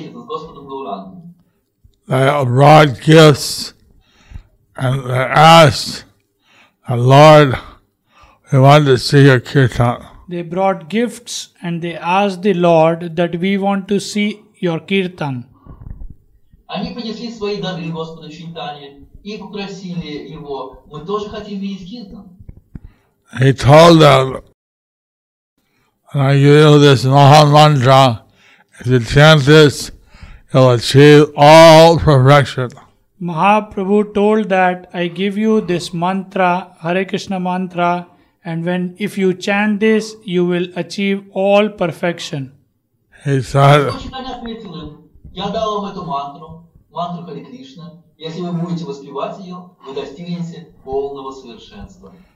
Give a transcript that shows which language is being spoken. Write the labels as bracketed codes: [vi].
[en] They brought gifts and they asked the Lord, we want to see your kirtan. They brought gifts and they asked the Lord that we want to see your kirtan. [ru] Они принесли свои дары Господу Чайтанье и попросили его, мы тоже хотим видеть киртан. [en] He told them, I give you this Maha Mantra, if you chant this, you'll achieve all perfection. Mahaprabhu told that, I give you this mantra, Hare Krishna mantra, and when if you chant this, you will achieve all perfection. He said, [ru] я дал вам эту мантру, мантру Хари Кришна. Если вы будете воспевать ее, вы достигнете полного совершенства.